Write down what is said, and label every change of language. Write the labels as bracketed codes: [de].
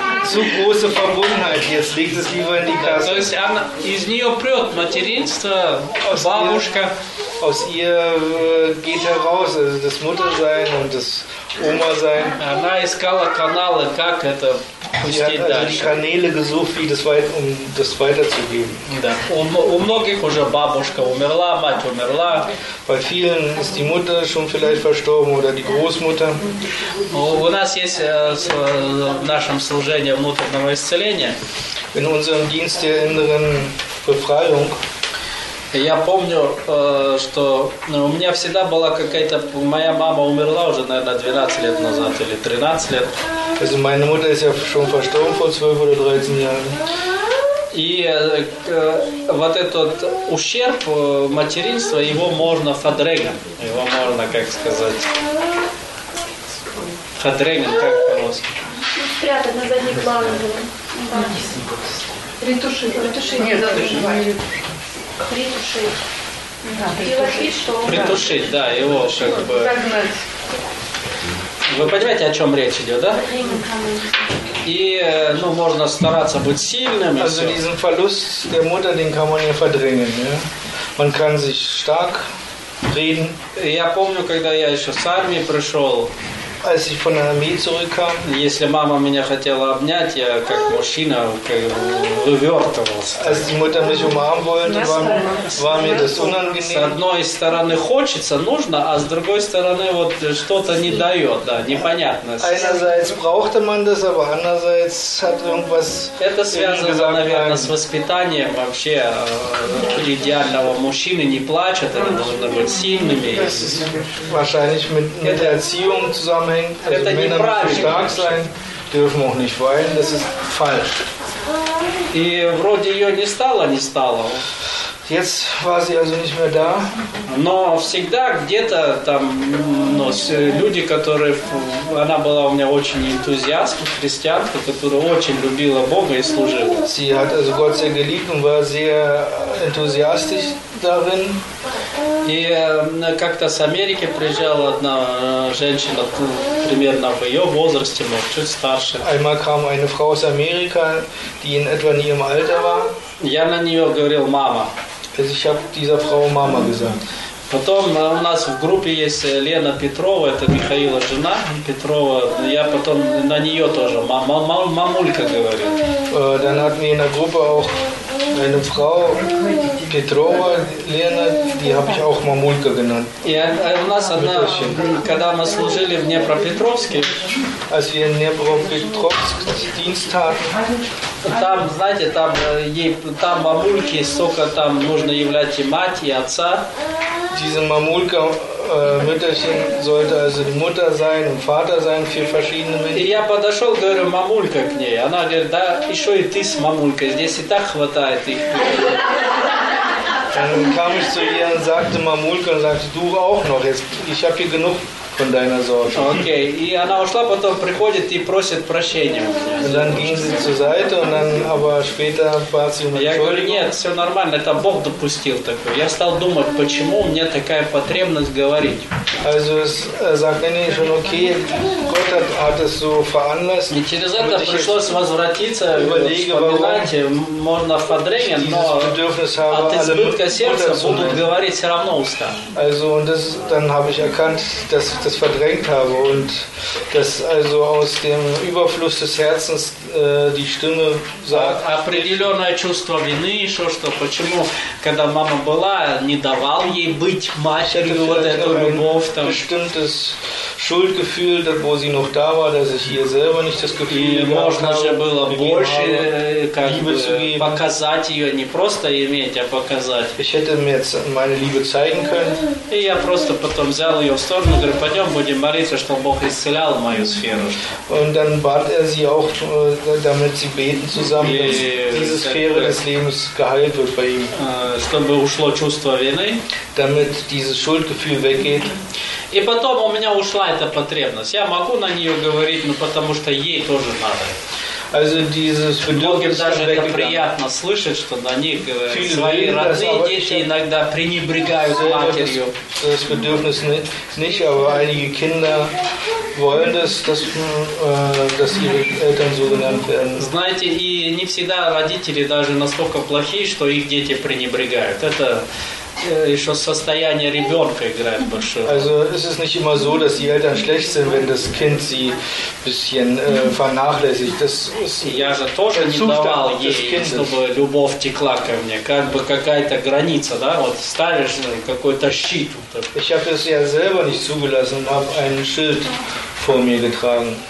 [de] Zu große Verbundenheit, jetzt liegt es lieber in die Kasse. [ru] То есть она, из нее прет материнство, бабушка. [de] Aus ihr geht heraus, also das Muttersein und das Oma-Sein. [ru] Она искала каналы, как это пустить дальше. [de] Die Kanäle gesucht, wie das um das weiterzugeben. [ru] Да. У многих уже бабушка умерла, мать умерла. [de] Bei vielen ist die Mutter schon vielleicht verstorben oder die Großmutter. [ru] У нас есть в нашем служении внутреннего исцеления. [de] In unserem Dienst der inneren Befreiung. [ru] Я помню, что у меня всегда была какая-то... Моя мама умерла уже, наверное, 12 лет назад или 13 лет. [de] Also meine Mutter ist ja schon verstorben vor 12 oder 13 Jahren. [ru] И вот этот ущерб материнства, его можно фадрегом. Его можно, как сказать... Фадрегом, как по-русски? Спрятать на задний план. Ретушить. Притушить. Да, притушить. Что? Притушить, да, его как бы... Вы понимаете, о чем речь идет, да? И, ну, можно стараться быть сильным. [de] Also diesen Verlust der Mutter, den kann man ja verdrängen. Ja? Man kann sich stark reden. [ru] Я помню, когда я еще с армии пришел. [de] Als ich von der Armee zurückkam. [ru] Если мама меня хотела обнять, я как мужчина как вывертывался. [de] Als die Mutter mich umarmen wollte, war mir das unangenehm. [ru] С одной стороны хочется, нужно, а с другой стороны вот что-то не дает, да, непонятно. [de] Einerseits brauchte man das, aber andererseits hat irgendwas. [ru] Это связано, наверное, с воспитанием вообще идеального мужчины. Не плачут, они должны быть сильными. [de] Wahrscheinlich mit der Erziehung zusammen. Also Männer müssen stark sein, dürfen auch nicht weinen, das ist falsch. [ru] И вроде ее не стало, не стало. [de] Jetzt war sie also nicht mehr da. [ru] Но всегда где-то там, ну, люди, которые, она была у меня очень энтузиастка, христианка, которая очень любила Бога и служила. [de] Sie hat also Gott sehr geliebt und war sehr enthusiastisch darin. [ru] И как-то с Америки приезжала одна женщина, примерно в ее возрасте, но чуть старше. [de] Einmal kam eine Frau aus Amerika, die in etwa in ihrem Alter war. [ru] Я на нее говорил «мама». [de] Also ich habe dieser Frau Mama gesagt. [ru] Потом у нас в группе есть Лена Петрова, это Михаила жена Петрова. Я потом на нее тоже мамулька говорю. [de] Dann hatten wir in der Gruppe auch eine Frau Петрова, Лена, die habe ich auch мамулька genannt. [ru] И у нас одна, когда мы служили в Днепропетровске, [de] als wir in Днепропетровск Dienst hatten. [ru] Там, знаете, там ей, там мамульки, сколько там нужно являть и мать, и отца. [de] Diese Mamulka, Mütterchen sollte also die Mutter sein und Vater sein für verschiedene Menschen. [ru] И я подошел, говорю, мамулька к ней. Она говорит, да, еще и ты с мамулькой, здесь и так хватает их. [de] Dann kam ich zu ihr und sagte Mamulka, und sagte, du auch noch, jetzt, ich habe hier genug. [en] Okay. [ru] И она ушла, потом приходит и просит прощения. [de] Dann ging sie zur Seite und dann aber später bat sie um Entschuldigung. [ru] Я говорю, нет, все нормально, это Бог допустил такое. Я стал думать, почему у меня такая потребность говорить. [de] Also es sagt nee, schon okay, Gott hat es so veranlasst. [ru] И через это пришлось возвратиться, вспоминать, можно в подрение, но от избытка сердца будут говорить все равно уста. [de] Also und das, dann habe ich erkannt, dass das verdrängt habe und dass also aus dem Überfluss des Herzens die Stimme sagt. [ru] Определенное чувство вины, что почему, когда мама была, не давал ей быть матерью, вот эту любовь там. [de] Bestimmtes Schuldgefühl, wo sie noch da war, dass ich ihr selber nicht das Gefühl gehabt habe. [ru] Можно же было больше, показать ее, не просто иметь, а показать. [de] Ich hätte mir jetzt meine Liebe zeigen können. [ru] И я просто потом взял ее в сторону, говорю, пойдем, будем молиться, чтобы Бог исцелял мою сферу. [de] Und dann bat er sie auch, damit sie beten zusammen, dass diese Sphäre des Lebens geheilt wird bei ihm. [ru] Чтобы ушло чувство вины. [de] Damit dieses Schuldgefühl weggeht. [ru] И потом у меня ушла эта потребность. Я могу на нее говорить, но потому что ей тоже надо. [de] Also dieses Bedürfnis [ru] даже это приятно слышать, что на них свои родные дети иногда пренебрегают матерью. [de] Das Bedürfnis nicht, aber einige Kinder wollen das, dass ihre Eltern so genannt werden. [ru] Знаете, и не всегда родители даже настолько плохие, что их дети пренебрегают. Это еще состояние ребенка играет большую роль. [de] Also es ist nicht immer so, dass die Eltern schlecht sind, wenn das Kind sie bisschen vernachlässigt. Das ist [ru] я же тоже не давал ей, чтобы любовь текла ко мне. Как бы какая-то граница, да? Вот ставишь какой-то щит. [de] Ich habe es ja selber nicht zugelassen, habe ein Schild vor mir getragen.